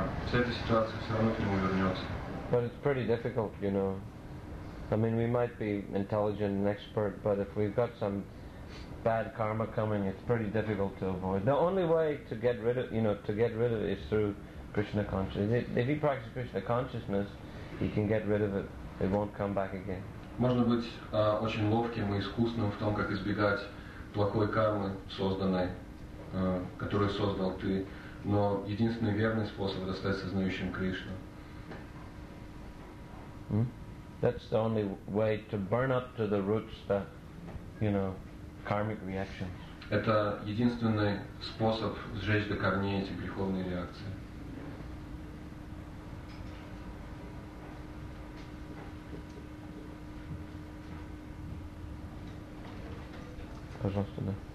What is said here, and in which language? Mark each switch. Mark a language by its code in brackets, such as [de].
[ru] С этой ситуацией все равно к нему вернется. [en] But it's pretty difficult, you know. I mean, we might be intelligent and expert, but if we've got some bad karma coming, it's pretty difficult to avoid. The only way to get rid of, you know, to get rid of it is through Krishna consciousness. If he practices Krishna consciousness, he can get rid of it. It won't come back again. [ru] Можно быть очень ловким и искусным в том, как избегать плохой кармы, созданной, которую создал ты. Но единственный верный способ — это стать сознающим Кришну. [en] That's the only way to burn up to the roots the, you know, karmic reactions. [ru] Это единственный способ сжечь до корней эти греховные реакции. Пожалуйста, да.